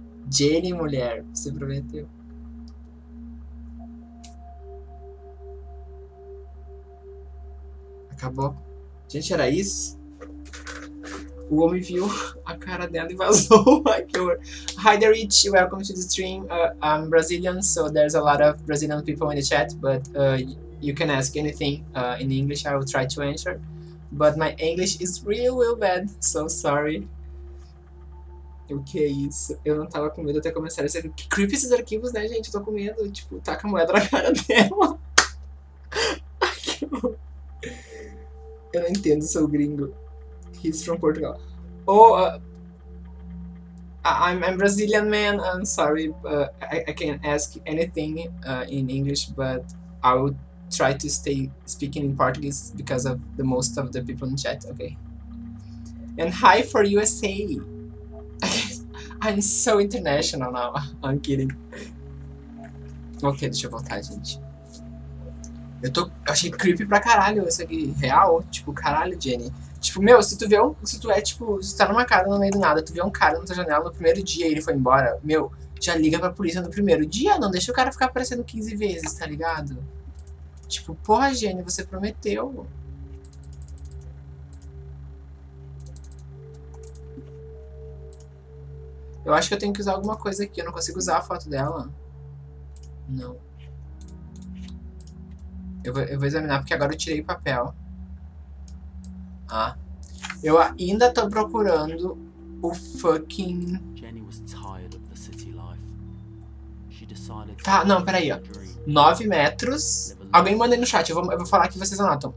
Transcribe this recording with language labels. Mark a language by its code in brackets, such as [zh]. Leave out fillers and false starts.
[pt] Jenny, mulher, você prometeu. Acabou. Gente, era isso? O homem viu a cara dela e vazou. [en] Hi there, Rich. Welcome to the stream. I'm Brazilian, so there's a lot of Brazilian people in the chat, but you can ask anything in English. I will try to answer. But my English is real, real bad. So sorry. [pt] O que é isso? Eu não tava com medo até começar a ser... Que creepy esses arquivos, né, gente? Eu tô com medo. Tipo, taca a moeda na cara dela. Eu não entendo, sou gringo. [en] He's from Portugal. Oh, I'm Brazilian, man. I'm sorry. I can't ask anything in English, but I will try to stay speaking in Portuguese because of the most of the people in chat, okay? And hi for USA. I'm so international now. I'm kidding. [pt] Ok, deixa eu voltar, gente. Eu achei creepy pra caralho isso aqui. Real? Tipo, caralho, Jenny. Tipo, meu, se tu vê um. Se tu é, tipo, se tu tá numa casa no meio do nada, tu vê um cara na tua janela no primeiro dia e ele foi embora, meu, já liga pra polícia no primeiro dia, não deixa o cara ficar aparecendo 15 vezes, tá ligado? Tipo, porra, Jenny, você prometeu. Eu acho que eu tenho que usar alguma coisa aqui. Eu não consigo usar a foto dela. Não. Eu vou examinar, porque agora eu tirei o papel. Ah. Eu ainda tô procurando [en] o fucking... Jenny was tired of the city life. She decided [pt] to... Tá, não, peraí, ó. 9 metros. Alguém manda aí no chat, eu vou falar aqui e vocês anotam.